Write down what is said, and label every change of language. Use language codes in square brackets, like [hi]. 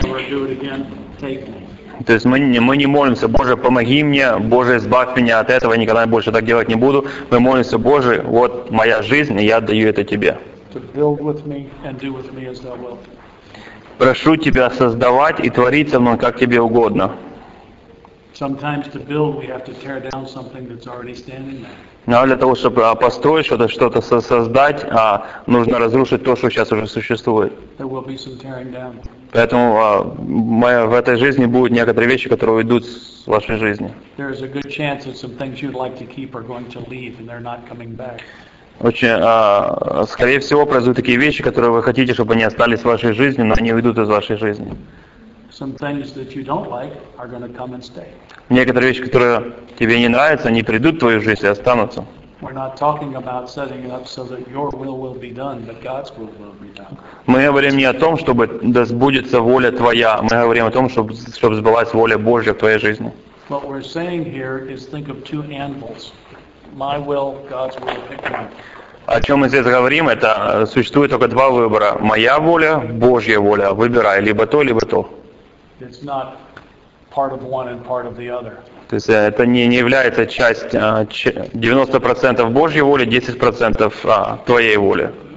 [ru] То есть мы не молимся, Боже, помоги мне, Боже, избавь меня от этого, я никогда больше так делать не буду. Мы молимся, Боже, вот моя жизнь, и я отдаю это Тебе. [en] To build with me and do with me as thou wilt. [ru] Прошу тебя создавать и творить со мной, как тебе угодно. [en] Sometimes to build we have to tear down something that's already standing there. [ru] Но для того, чтобы построить что-то создать, нужно разрушить то, что сейчас уже существует. [en] There will be some tearing down. [ru] Поэтому в этой жизни будут некоторые вещи, которые уйдут с вашей жизни. [en] There is a good chance that some things you'd like to keep are going to leave and they're not coming back. [ru] Скорее всего, произойдут такие вещи, которые вы хотите, чтобы они остались в вашей жизни, но они уйдут из вашей жизни. [en] Some things that you don't like are going to come and stay. [ru] Некоторые вещи, которые тебе не нравятся, они придут в твою жизнь и останутся. [en] We're not talking about setting it up so that your will be done, but God's will be done. [ru] Мы говорим не о том, чтобы да сбудется воля твоя. Мы говорим о том, чтобы сбылась воля Божья в твоей жизни. [en] What we're saying here is think of two anvils. My will, God's will, pick one. [ru] О чем мы здесь говорим, это существует только два выбора. Моя воля, Божья воля. Выбирай, либо то, либо то. [en] It's not part of one and part of the other. [ru] То есть это не является частью 90% Божьей воли, 10% твоей воли.